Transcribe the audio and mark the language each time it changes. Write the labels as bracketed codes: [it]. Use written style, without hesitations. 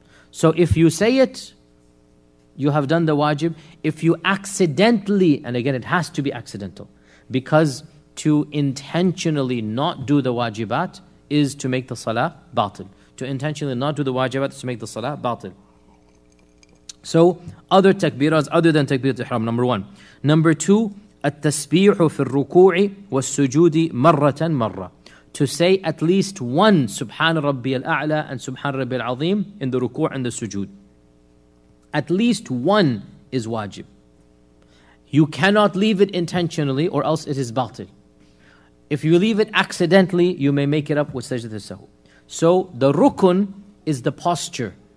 [en] So if you say it, you have done the wajib. If you accidentally, and again it has to be accidental, because to intentionally not do the wajibat is to make the salah batil. To intentionally not do the wajibat is to make the salah batil. So other takbiras other than takbirat ihram, number 1. Number 2, [ar] التسبيح في الركوع والسجود مرة مرة. [en] To say at least one [ar] سبحان ربي الأعلى [en] and [ar] سبحان ربي العظيم [en] in the ركوع and the سجود. At least one is wajib. You cannot leave it intentionally or else it is batil. If you leave it accidentally, you may make it up with سجدة السهو. So the rukun is the posture.